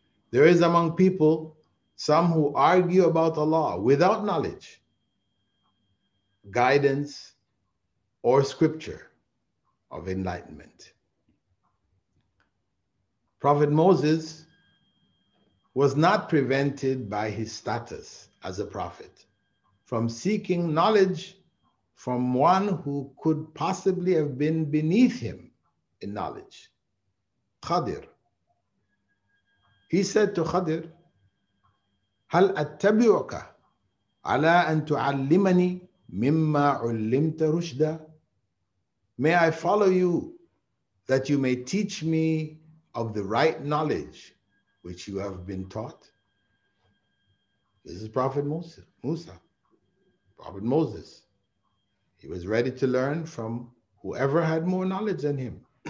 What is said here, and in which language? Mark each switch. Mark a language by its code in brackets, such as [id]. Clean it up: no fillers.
[en] There is among people some who argue about Allah without knowledge, guidance, or scripture of enlightenment. Prophet Moses, was not prevented by his status as a prophet from seeking knowledge from one who could possibly have been beneath him in knowledge, Khadir. He said to Khadir, [ar] هَلْ أَتَّبِعُكَ عَلَىٰ أَن تُعَلِّمَنِي مِمَّا عُلِّمْتَ رُشْدًا? [en] May I follow you that you may teach me of the right knowledge which you have been taught? This is Prophet Musa, Prophet Moses. He was ready to learn from whoever had more knowledge than him.